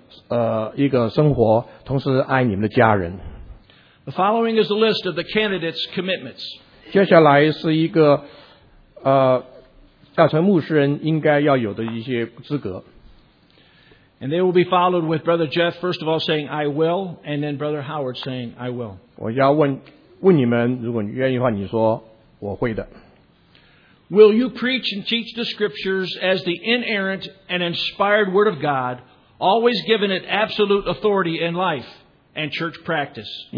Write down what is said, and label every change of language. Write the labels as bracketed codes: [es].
[zh] 这两位弟兄愿神给力量来活出一个牧师应该有的一个生活，同时爱你们的家人。 [en] The following is a list of the candidates' commitments. [zh] 接下来是一个大成牧师人应该要有的一些资格。 [en] And they will be followed with Brother Jeff, first of all, saying, I will, and then Brother Howard saying, I will. [zh] 我要问你们，如果你愿意的话，你说我会的。 [en] Will you preach and teach the Scriptures as the inerrant and inspired Word of God, always given it absolute authority in life and church practice?